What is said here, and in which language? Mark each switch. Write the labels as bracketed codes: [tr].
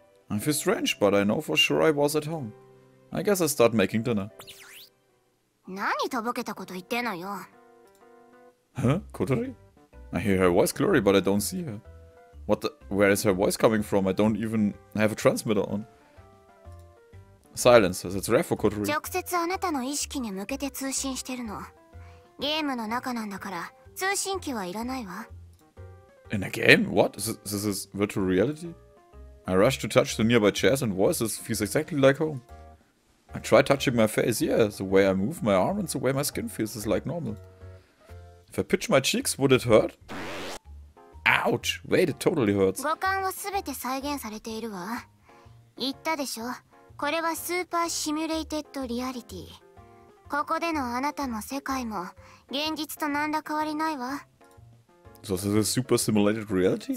[en] I feel strange, but I know for sure I was at home. I guess I start making dinner. [ja] 何とぼけたこと言ってんのよ。 [en] Huh? Kotori? I hear her voice clearly, but I don't see her. What the? Where is her voice coming from? I don't even have a transmitter on. Silence, as it's rare for Kotori. [ja] 直接あなたの意識に向けて通信してるの。ゲームの中なんだから、通信機はいらないわ。 [en] In a game? What? This is virtual reality? I rush to touch the nearby chairs and voices feels exactly like home. I try touching my face, yeah, the way I move my arm and the way my skin feels is like normal. If I pitch my cheeks, would it hurt? Ouch! Wait, it totally hurts. [ja] 五感はすべて再現されているわ。言ったでしょ。これはスーパーシミュレーテッドリアリティ。ここでのあなたの世界も現実と何ら変わりないわ。 [en] So this is a super simulated reality?